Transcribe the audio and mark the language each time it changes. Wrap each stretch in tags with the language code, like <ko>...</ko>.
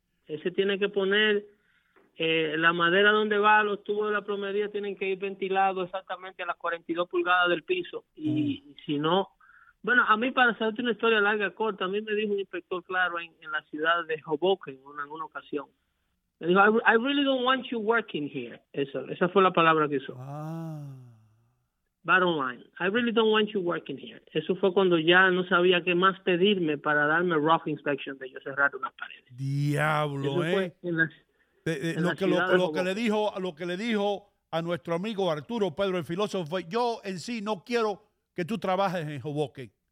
<es>Ese tiene que poner la madera donde va, los tubos de la plomería tienen que ir ventilados exactamente a las 42 pulgadas del piso. Y si no... Bueno, a mí, para hacerte una historia larga, corta, a mí me dijo un inspector, claro, en la ciudad de Hoboken, en una ocasión. Me dijo,</es> <en>I really don't want you working here.</en> <es>Esa fue la palabra que usó. Ah.</es> <en>Bottom line, I really don't want you working here.</en> <es>Eso fue cuando ya no sabía qué más pedirme para darme rough inspection de yo cerrar unas paredes. Diablo, eso fue en la, Lo que le dijo a nuestro amigo Arturo Pedro, el filósofo, yo en sí no quiero que tú trabajes en Hoboken.</es>